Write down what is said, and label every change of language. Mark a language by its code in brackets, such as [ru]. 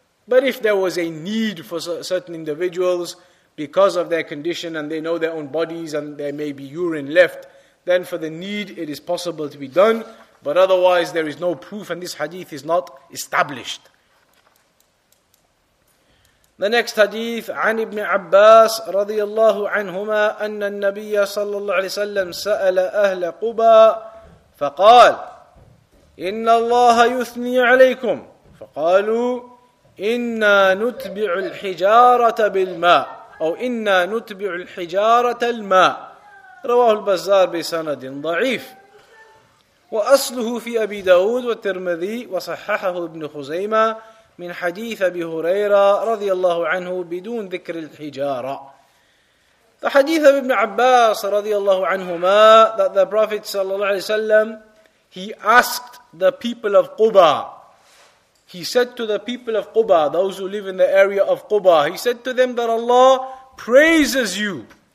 [en] But if there was a need for certain individuals because of their condition and they know their own bodies and there may be urine left, then for the need it is possible to be done. But otherwise there is no proof and this hadith is not established. The next hadith, [ar] عن ابن عباس رضي الله عنهما أن النبي صلى الله عليه وسلم سأل أهل قباء فقال إن الله يثني عليكم فقالوا إنا نتبع الحجارة بالماء أو إنا نتبع الحجارة الماء. رواه البزار بسند ضعيف وأصله في أبي داود والترمذي وصححه ابن خزيمة من حديث أبي هريرة رضي الله عنه بدون ذكر الحجارة. [en] The hadith of Ibn Abbas [ar] رضي الله عنهما [en] that the Prophet [ar] صلى الله عليه وسلم, [en] he asked the people of Quba, he said to the people of Quba, those who live in the area of Quba, he said to them that Allah praises you.